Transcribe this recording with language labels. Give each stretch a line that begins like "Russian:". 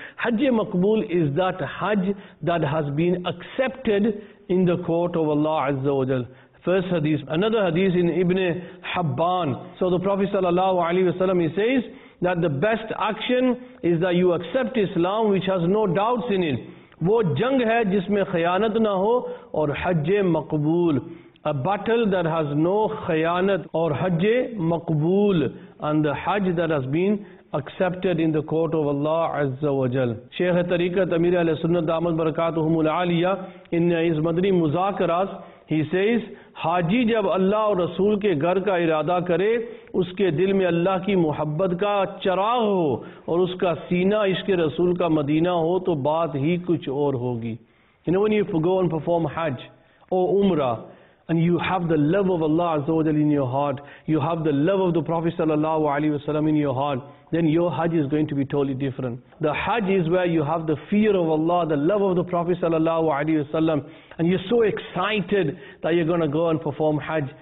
English: Hajj Maqbool is that Hajj that has been accepted in the court of Allah Azza wa Jal. First hadith. Another hadith in Ibn Habban. So the Prophet Sallallahu Alaihi Wasallam, he says that the best action is that you accept Islam which has no doubts in it.
Urdu: وہ جنگ ہے جس میں خیانت نہ ہو اور حج مقبول.
English: A battle that has no
Urdu: خیانت اور حج مقبول.
English: And the حج that has been accepted in the court of Allah عز و جل.
Urdu: شیخ طریقت امیر اہل سنت دامت برکاتہم العالیہ ان اس مدنی مذاکرات,
English: he says,
Urdu: حاجی جب اللہ اور رسول کے گھر کا ارادہ کرے, اس کے دل میں اللہ کی محبت کا چراغ ہو اور اس کا سینہ عشق رسول کا مدینہ ہو, تو بات ہی کچھ اور ہوگی.
English: You know, when you go and perform Hajj or Umrah and you have the love of Allah Azza wa Jal in your heart, you have the love of the Prophet Sallallahu Alaihi Wasallam in your heart, then your Hajj is going to be totally different. The Hajj is where you have the fear of Allah, the love of the Prophet Sallallahu Alaihi Wasallam, and you're so excited that you're going to go and perform Hajj.